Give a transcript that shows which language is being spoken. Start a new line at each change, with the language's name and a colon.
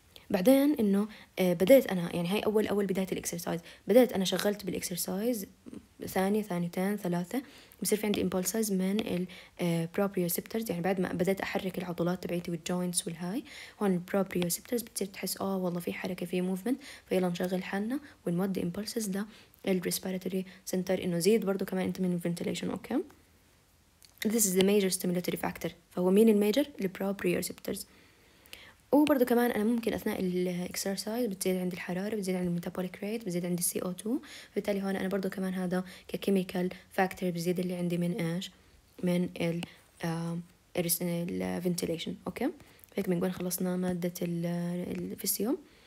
Arabic: بعدين انه بدأت انا، يعني هاي اول بداية الاكسرسايز، بدأت انا شغلت بالاكسرسايز ثانية ثانيتين ثلاثة، بصير في عندي امبولسز من البروبريوسيبترز، يعني بعد ما بدأت احرك العضلات تبعيتي والجوينتس والهاي، هون البروبريوسيبترز بتصير تحس والله في حركة في موفمنت، فيلا نشغل حالنا ونمد امبولسز ده الريسبيراتوري سنتر انه زيد برضو كمان انت من الفنتيليشن، اوكي.
English: This is the major stimulatory factor،
Arabic: فهو مين الميجر؟ البروبريوسيبترز. وبرضو كمان أنا ممكن أثناء الإكسرسايز بتزيد عندي الحرارة، بتزيد عندي الميتابوليك ريت، بتزيد عندي السي أو تو، بالتالي هون أنا برضو كمان هذا ككيميكال فاكتور بزيد اللي عندي من إيش؟ من الفنتيليشن، أوكي؟ هيك بنقول خلصنا مادة الفيسيو.